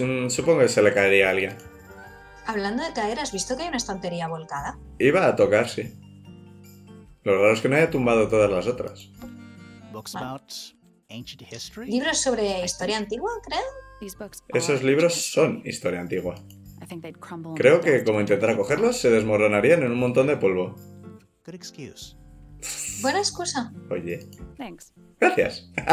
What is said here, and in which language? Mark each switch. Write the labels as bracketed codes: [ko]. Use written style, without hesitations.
[es] Supongo que se le caería a alguien. Hablando de caer, ¿has visto que hay una estantería volcada? Iba a tocar, sí. Lo raro es que no haya tumbado todas las otras. [en] Books about ancient history? [es] ¿Libros sobre historia antigua, creo? Esos libros son historia antigua. Creo que como intentara cogerlos, se desmoronarían en un montón de polvo. [en] Good excuse. [es] Buena excusa. Oye. [en] Thanks. [es] Gracias.